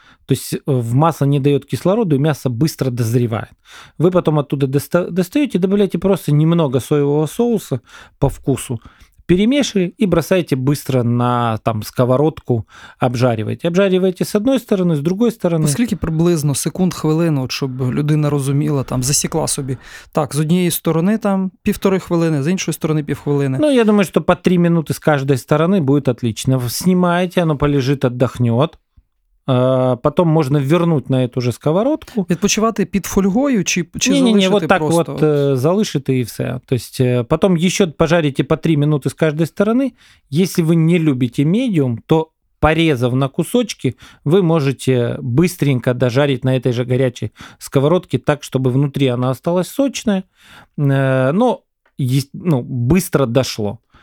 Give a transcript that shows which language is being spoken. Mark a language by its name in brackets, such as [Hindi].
[Russian] То есть в масло не дает кислороду, и мясо быстро дозревает. Вы потом оттуда достаете, добавляете просто немного соевого соуса по вкусу, перемешиваете и бросаете быстро на там, сковородку, обжариваете. Обжариваете с одной стороны, с другой стороны. [Ukrainian] Скільки приблизно секунд, хвилину, [Russian] чтобы [Ukrainian] людина розуміла, там, засекла собі? Так, з однієї сторони там півтори хвилини, з іншої сторони півхвилини. [Russian] Ну, я думаю, что по три минуты с каждой стороны будет отлично. Снимаете, оно полежит, отдохнет. потом можно вернуть на эту же сковородку. [Ukrainian] Відпочивати під фольгою чи залишити просто? [Russian] Вот так вот [Ukrainian] залишити і все. [Russian] То есть, потом еще пожарите по 3 минуты с каждой стороны. Если вы не любите медиум, то порезав на кусочки, вы можете быстренько дожарить на этой же горячей сковородке так, чтобы внутри она осталась сочная, но быстро дошло.